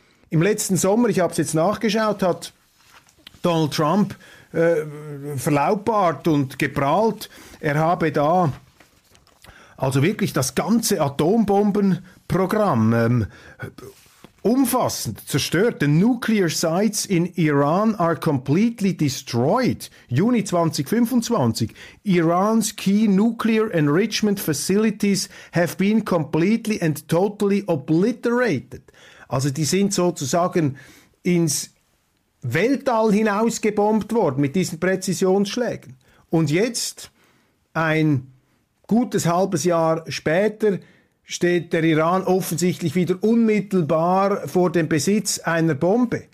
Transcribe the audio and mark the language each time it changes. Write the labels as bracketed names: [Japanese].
[German] Im letzten Sommer, ich habe es jetzt nachgeschaut, hat Donald Trump verlautbart und geprahlt, er habe da also wirklich das ganze Atombombenprogramm umfassend zerstört. [English] The nuclear sites in Iran are completely destroyed. [German] Juni 2025. [English] Iran's key nuclear enrichment facilities have been completely and totally obliterated. [German] Also die sind sozusagen ins Weltall hinausgebombt worden mit diesen Präzisionsschlägen. Und jetzt ein gutes halbes Jahr später steht der Iran offensichtlich wieder unmittelbar vor dem Besitz einer Bombe.